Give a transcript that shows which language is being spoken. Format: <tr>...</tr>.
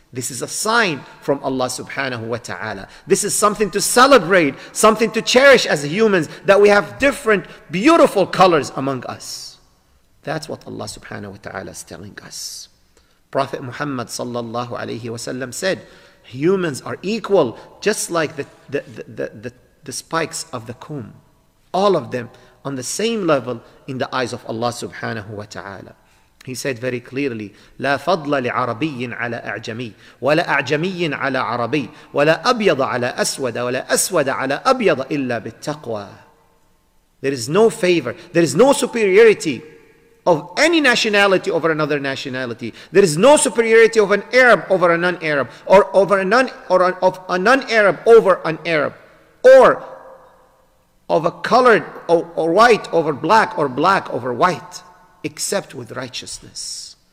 <en>This is a sign from Allah subhanahu wa ta'ala. This is something to celebrate, something to cherish as humans, that we have different beautiful colors among us. That's what Allah subhanahu wa ta'ala is telling us. Prophet Muhammad sallallahu alayhi wa sallam said, humans are equal, just like the spikes of the comb. All of them on the same level in the eyes of Allah subhanahu wa ta'ala. He said very clearly,</en> <ar>لا فضل لعربي على أعجمي ولا أعجمي على عربي ولا أبيض على أسود ولا أسود على أبيض إلا بالتقوى.</ar> <en>There is no favor, there is no superiority of any nationality over another nationality. There is no superiority of an Arab over a non-Arab, or of a non-Arab over an Arab, or of a colored or white over black, or black over white, except with righteousness.</en>